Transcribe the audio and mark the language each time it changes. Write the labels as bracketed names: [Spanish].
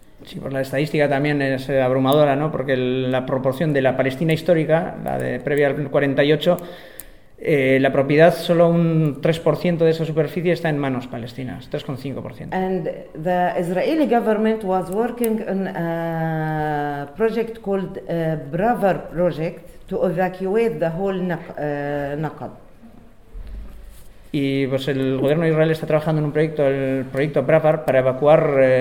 [Spanish] Sí, pues la estadística también es abrumadora, ¿no? Porque la proporción de la Palestina histórica, la de previa al 48, la propiedad, solo un 3% de esa superficie está en manos palestinas, 3.5%. [English] And the Israeli government was working on a project called Braver Project to evacuate the whole Naqab. [Spanish] Y pues el gobierno de Israel está trabajando en un proyecto, el proyecto Braver, para evacuar